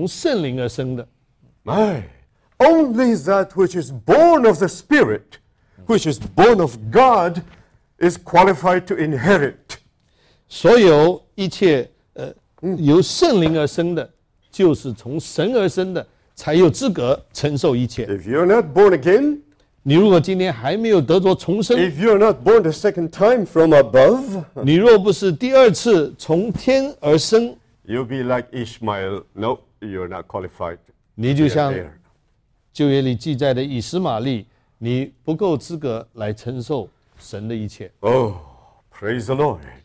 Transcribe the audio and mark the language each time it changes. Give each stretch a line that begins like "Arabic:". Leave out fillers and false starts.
Chinese: 所以加拉太书说明了,以撒是按着应许生的,是从圣灵而生的。My,
English: only that which is born of the spirit, which is born of God, is qualified to inherit.
Chinese: 所有一切由圣灵而生的,就是从神而生的,才有资格承受一切。
English: If you're not born again,
Chinese: 你如果今天还没有得着重生,
English: if you're not born the second time from above,
Chinese: 你若不是第二次从天而生,
English: you'll be like Ishmael. No, you're not qualified.
Chinese: 你就像旧约里记载的以实玛利, 你不够资格来承受神的一切。
English: Oh, praise the Lord.